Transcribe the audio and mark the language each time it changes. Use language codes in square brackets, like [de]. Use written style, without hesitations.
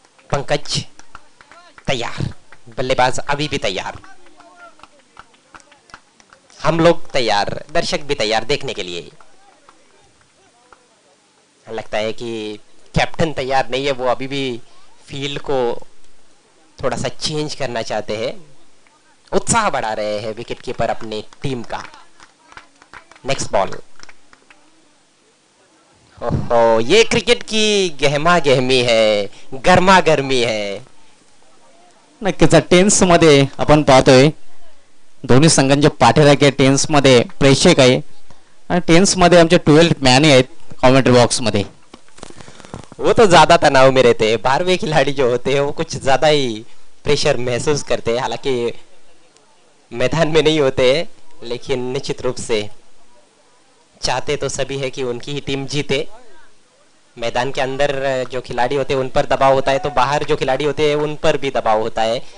[hi] पंकज तैयार, बल्लेबाज अभी भी तैयार, हम लोग तैयार, दर्शक भी तैयार देखने के लिए, लगता है कि कैप्टन तैयार नहीं है, वो अभी भी फील्ड को थोड़ा सा चेंज करना चाहते हैं, उत्साह बढ़ा रहे हैं विकेट कीपर अपनी टीम का। नेक्स्ट बॉल, ओहो, ये क्रिकेट की गहमा गहमी है, गर्मा गर्मी है। [mr] नक्कीच, टेन्स मध्ये आपण पाहतोय दोन्ही संघांचे पाठीराखे, टेन्स मध्ये प्रेक्षक आहे आणि टेन्स मध्ये आमचे 12 मॅन आहेत कॉमेंट्री बॉक्स मध्ये, [hi] वो तो ज्यादा तनाव में रहते हैं, 12वे खिलाड़ी जो होते हैं वो कुछ ज्यादा ही प्रेशर महसूस करते हैं, हालांकि मैदान में नहीं होते लेकिन निश्चित रूप से चाहते तो सभी है कि उनकी ही टीम जीते, मैदान के अंदर जो खिलाड़ी होते हैं उन पर दबाव होता है, तो बाहर जो खिलाड़ी होते हैं उन पर भी दबाव होता है।